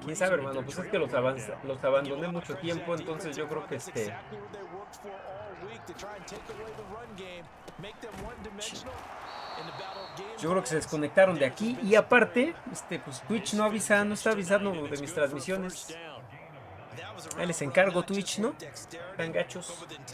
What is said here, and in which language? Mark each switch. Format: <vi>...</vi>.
<es>Quién sabe, hermano, pues es que los abandoné mucho tiempo, entonces yo creo que</es> <en>week to try and take away the run game, make them one dimensional.</en> <es>Yo creo que se desconectaron de aquí. Y aparte, pues Twitch no avisa, no está avisando de mis transmisiones. Ahí les encargo Twitch, ¿no? Están gachos.</es>